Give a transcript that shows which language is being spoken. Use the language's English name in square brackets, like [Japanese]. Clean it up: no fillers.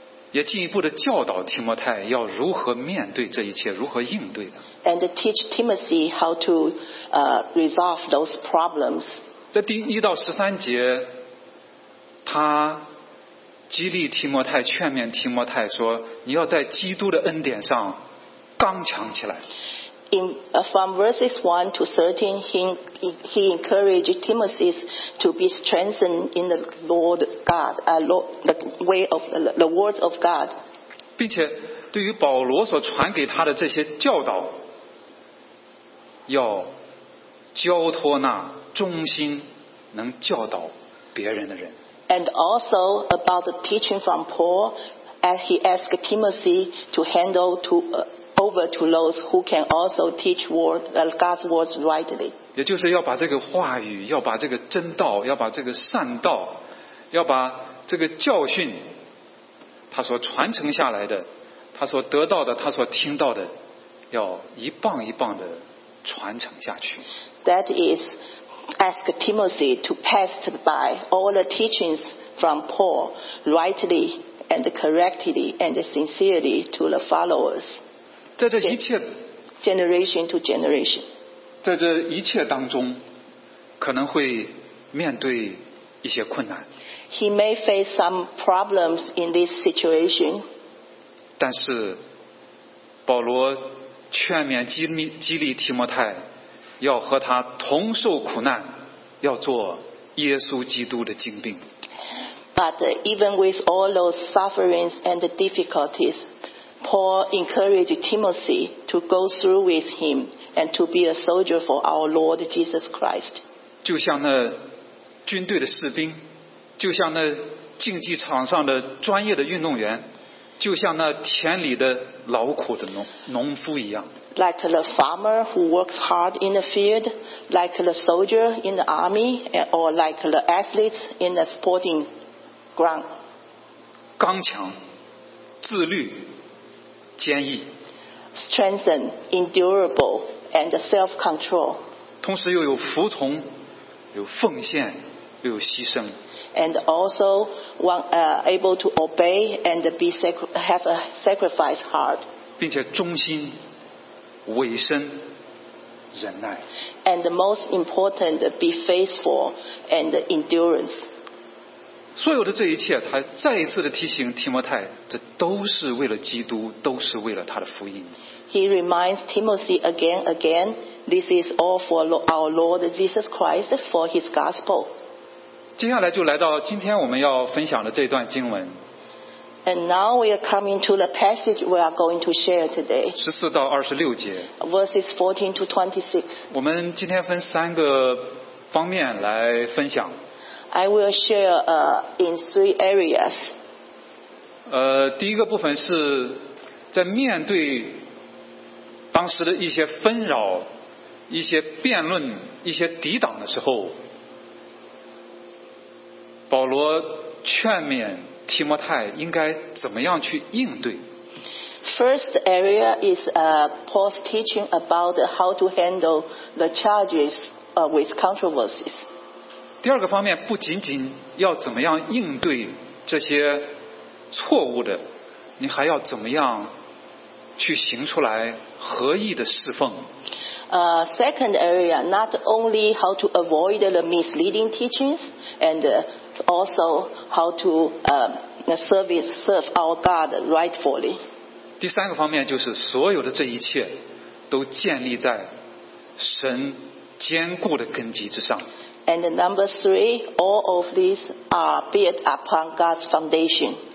[Chinese] 也进一步的教导提摩太要如何面对这一切，如何应对的。 [English] And teach Timothy how to resolve those problems. [Chinese] 在第一到十三节，他激励提摩太，劝勉提摩太说，你要在基督的恩典上刚强起来。 [English] In, from verses 1 to 13, he encouraged Timothy to be strengthened in the Lord God, the way of the words of God. [Chinese] 并且对于保罗所传给他的这些教导，要交托那忠心能教导别人的人。 [English] And also about the teaching from Paul, as he asked Timothy to handle to. Over to those who can also teach word, God's words rightly. [Chinese] 也就是要把这个话语，要把这个真道，要把这个善道，要把这个教训，他所传承下来的，他所得到的，他所听到的，要一棒一棒的传承下去。 [English] That is, ask Timothy to pass by all the teachings from Paul rightly and correctly and sincerely to the followers. [Chinese] 在这一切 [English] generation to generation, [Chinese] 在这一切当中，可能会面对一些困难。 [English] He may face some problems in this situation. [Chinese] 但是，保罗劝勉激励提摩太，要和他同受苦难，要做耶稣基督的精兵。 [English] But even with all those sufferings and difficulties. Paul encouraged Timothy to go through with him and to be a soldier for our Lord Jesus Christ. [Chinese] 就像那军队的士兵，就像那竞技场上的专业的运动员，就像那田里的劳苦的农夫一样。 [English] Like the farmer who works hard in the field, like the soldier in the army, or like the athletes in the sporting ground. [Chinese] 刚强，自律。坚毅 [English] strengthen, endurable, and self-control. [Chinese] 同时又有服从，有奉献，又有牺牲。 [English] And also one able to obey and be have a sacrifice heart. [Chinese] 并且忠心，委身，忍耐。 [English] And the most important, be faithful and endurance. [Chinese] 所有的这一切，他再一次的提醒提摩太，这都是为了基督，都是为了他的福音。 [English] He reminds Timothy again, again, this is all for our Lord Jesus Christ, for His gospel. [Chinese] 接下来就来到今天我们要分享的这段经文。 [English] And now we are coming to the passage we are going to share today. [Chinese] 十四到二十六节。 [English] Verses 14 to 26. [Chinese] 我们今天分三个方面来分享。 [English] I will share in three areas. [Chinese] 第一个部分是在面对当时的一些纷扰、一些辩论、一些抵挡的时候，保罗劝勉提摩太应该怎么样去应对。 [English] First area is Paul's teaching about how to handle the charges with controversies. [Chinese] 第二个方面不仅仅要怎么样应对这些错误的，你还要怎么样去行出来合意的侍奉。 [English] Second area, not only how to avoid the misleading teachings, and also how to serve our God rightfully. [Chinese] 第三个方面就是所有的这一切都建立在神坚固的根基之上。 [English] And number three, all of these are built upon God's foundation.